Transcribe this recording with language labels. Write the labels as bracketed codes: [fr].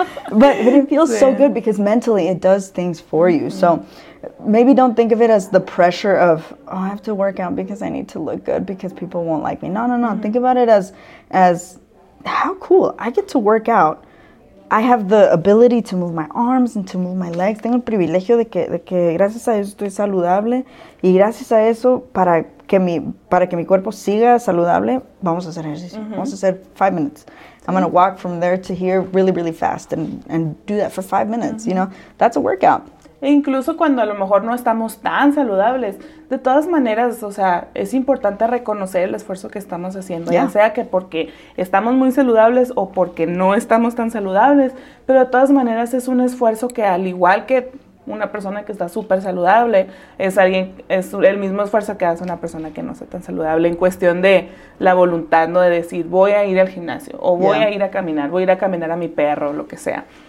[en] but it feels so good because mentally it does things for you. Mm-hmm. So maybe don't think of it as the pressure of, oh, I have to work out because I need to look good because people won't like me. No. Mm-hmm. Think about it as how cool. I get to work out I have the ability to move my arms and to move my legs. [es] Tengo el privilegio de que gracias a eso estoy saludable. Y gracias a eso, para que mi cuerpo siga saludable, vamos a hacer ejercicio. Mm-hmm. Vamos a hacer [en] 5 minutes. Mm-hmm. I'm going to walk from there to here really, really fast and do that for 5 minutes. Mm-hmm. You know, that's a workout. [es] E incluso cuando a lo mejor no estamos tan saludables, de todas maneras, o sea, es importante reconocer el esfuerzo que estamos haciendo, yeah. Ya sea que porque estamos muy saludables o porque no estamos tan saludables, pero de todas maneras es un esfuerzo que, al igual que una persona que está súper saludable, es el mismo esfuerzo que hace una persona que no está tan saludable en cuestión de la voluntad, ¿no? De decir, voy a ir al gimnasio, o voy yeah. a ir a caminar, voy a ir a caminar a mi perro, lo que sea.